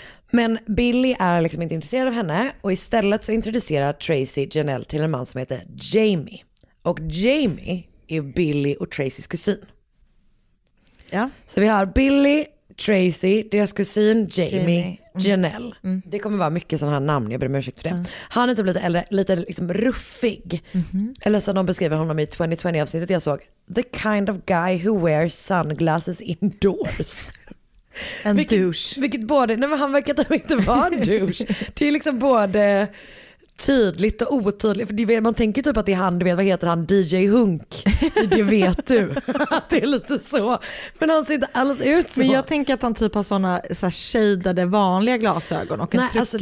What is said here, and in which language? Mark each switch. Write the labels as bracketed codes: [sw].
[sv] Men Billy är liksom inte intresserad av henne, och istället så introducerar Tracy Janelle till en man som heter Jamie. Och Jamie är Billy och Tracys kusin. Ja. Så vi har Billy, Tracy, deras kusin Jamie, Janelle. Mm. Det kommer vara mycket sådana här namn, jag ber om ursäkt för det. Han är typ lite äldre, lite liksom ruffig. Mm-hmm. Eller så de beskriver honom i 2020-avsnittet jag såg. [en] The kind of guy who wears sunglasses indoors. [sv] En douche. Vilket både, nej men han verkar inte vara en douche. Det är liksom både tydligt och otydligt. För vet, man tänker typ att det är han, du vet, vad heter han? DJ Hunk. Det vet du. Att det är lite så. Men han ser inte alls ut så. Men jag tänker att han typ har såna så här shadade vanliga glasögon och en tryckerkeps.